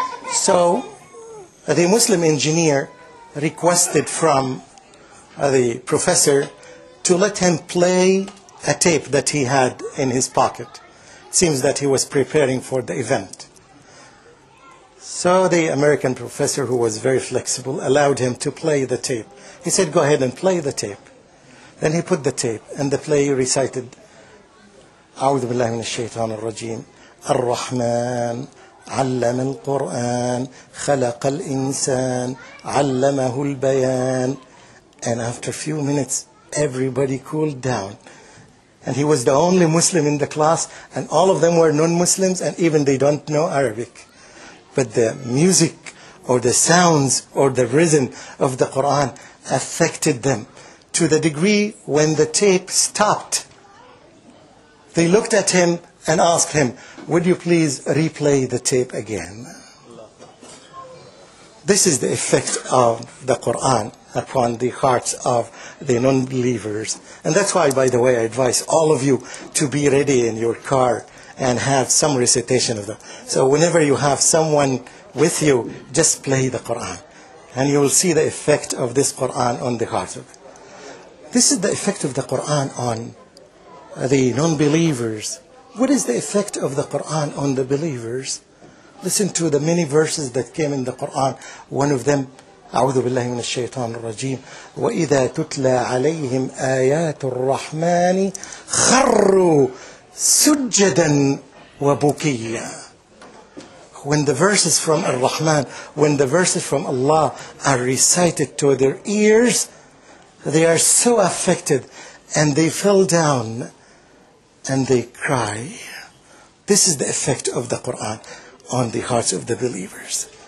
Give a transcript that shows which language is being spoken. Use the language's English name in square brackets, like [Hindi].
[English] So the Muslim engineer requested from the professor to let him play a tape that he had in his pocket. Seems that he was preparing for the event. So the American professor, who was very flexible, allowed him to play the tape. He said, go ahead and play the tape. Then he put the tape, and the player recited, [Arabic] أعوذ بالله من الشيطان الرجيم الرحمن علم القرآن خلق الإنسان علمه البيان. [English] And after a few minutes, everybody cooled down. And he was the only Muslim in the class, and all of them were non-Muslims, and even they don't know Arabic. But the music or the sounds or the rhythm of the Quran affected them to the degree when the tape stopped, they looked at him and asked him, would you please replay the tape again? This is the effect of the Quran upon the hearts of the non-believers. And that's why, by the way, I advise all of you to be ready in your car and have some recitation of them. So whenever you have someone with you, just play the Quran. And you will see the effect of this Quran on the heart of it. This is the effect of the Quran on the non-believers. What is the effect of the Quran on the believers? Listen to the many verses that came in the Quran. One of them, [Arabic] أعوذ بالله من الشيطان الرجيم وإذا تتلى عليهم آيات الرحمن خروا سجدا وبكيا. [English] When the verses from Ar-Rahman, when the verses from Allah are recited to their ears, they are so affected and they fell down and they cry. This is the effect of the Quran on the hearts of the believers.